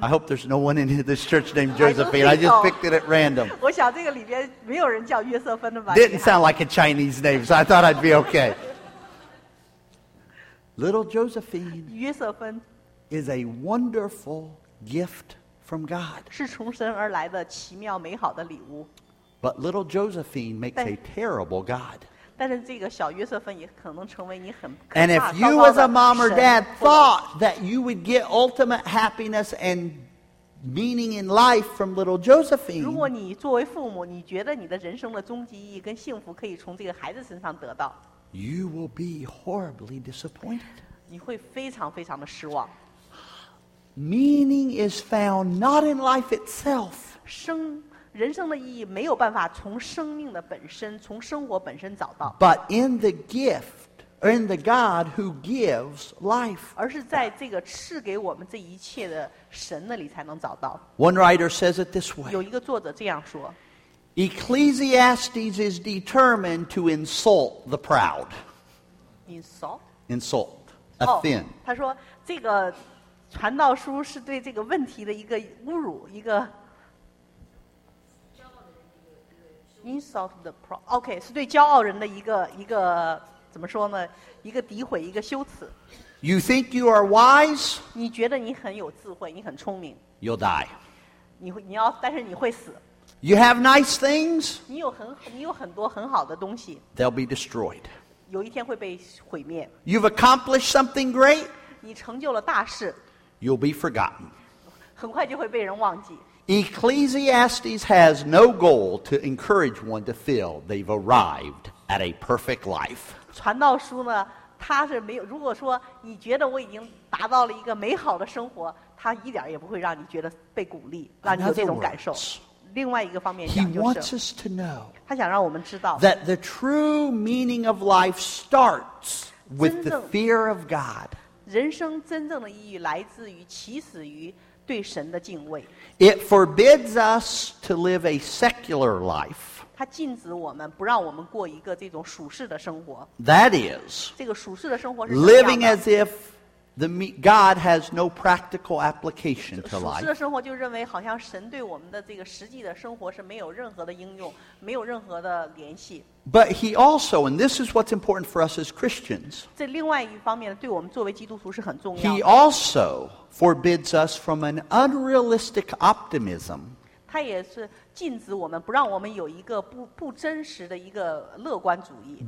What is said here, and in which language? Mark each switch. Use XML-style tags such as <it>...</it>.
<en>I hope there's no one in this church named Josephine. I just picked it at random.</en> <zh>我想这个里边没有人叫约瑟芬的吧</zh> <en>Didn't sound like a Chinese name, so I thought I'd be okay. Little Josephine,</en> <zh>约瑟芬,</zh> <en>is a wonderful gift from God.</en> <zh>是从神而来的奇妙美好的礼物。</zh> <en>But little Josephine makes a terrible God.</en> <zh>但是这个小约瑟芬也可能成为你很可怕糟糕的神。</zh> <en>And if you as a mom or dad thought that you would get ultimate happiness and meaning in life from little Josephine,</en> <zh>如果你作为父母，你觉得你的人生的终极意义跟幸福可以从这个孩子身上得到。</zh> <en>You will be horribly disappointed.</en> <zh>你会非常非常的失望。</zh> <en>Meaning is found not in life itself.</en> <zh>生人生的意义没有办法从生命的本身，从生活本身找到。</zh> <en>But in the gift, or in the God who gives life.</en> <zh>而是在这个赐给我们这一切的神那里才能找到。</zh> <en>One writer says it this way.</en> <zh>有一个作者这样说。</zh> <en>Ecclesiastes is determined to insult the proud. Insult? Insult. Offend.</en> <zh>他说这个传道书是对这个问题的一个侮辱，一个</zh> <en>insult the proud.</en> <zh>OK, 是对骄傲人的一个怎么说呢，一个诋毁，一个羞耻。</zh> <en>You think you are wise?</en> <zh>你觉得你很有智慧，你很聪明。</zh> <en>You'll die.</en> <zh>你要，但是你会死。</zh> <en>You have nice things.</en> <zh>你有很多很好的东西。</zh> <en>They'll be destroyed.</en> <zh>有一天会被毁灭。</zh> <en>You've accomplished something great.</en> <zh>你成就了大事。</zh> <en>You'll be forgotten.</en> <zh>很快就会被人忘记。</zh> <en>Ecclesiastes has no goal to encourage one to feel they've arrived at a perfect life.</en> <zh>传道书呢，它是没有。如果说你觉得我已经达到了一个美好的生活，它一点也不会让你觉得被鼓励，让你有这种感受。另外一个方面讲就是</zh> <en>He wants us to know</en> <zh>他想让我们知道</zh> <en>that the true meaning of life starts with the fear of God.</en> <zh>人生真正的意义来自于起始于对神的敬畏。</zh> <en>It forbids us to live a secular life.</en> <zh>他禁止我们，不让我们过一个这种属世的生活。</zh> <en>That is</en> <zh>这个属世的生活是什么样的？</zh> <en>Living as if God has no practical application to life.</en> <zh>属世的生活就认为好像神对我们的这个实际的生活是没有任何的应用，没有任何的联系。</zh> <en>But he also, and this is what's important for us as Christians.</en> <zh>这另外一方面对我们作为基督徒是很重要的。</zh> <en>He also forbids us from an unrealistic optimism.</en> <zh>他也是禁止我们，不让我们有一个不真实的一个乐观主义。</zh>